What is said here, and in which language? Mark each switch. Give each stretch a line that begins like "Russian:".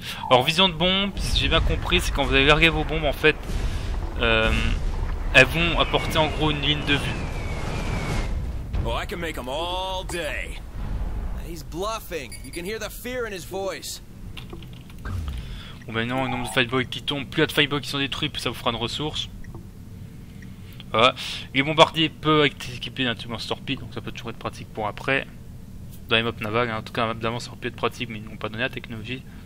French: Alors vision de bombe, si j'ai bien compris, c'est quand vous allez larguer vos bombes, en fait, elles vont apporter en gros une ligne de vue.
English: Oh, I can make them all day. He's bluffing. You can hear the fear in his voice.
French: Bon, maintenant, le nombre de fireballs qui tombent, plus il y a de fireballs qui sont détruits, plus ça vous fera de ressources. Voilà. Les bombardiers peuvent être équipés d'un tube lance torpille, donc ça peut toujours être pratique pour après. Dans les maps navales, hein. En tout cas, un map d'avance aurait pu être pratique, mais ils n'ont pas donné la technologie.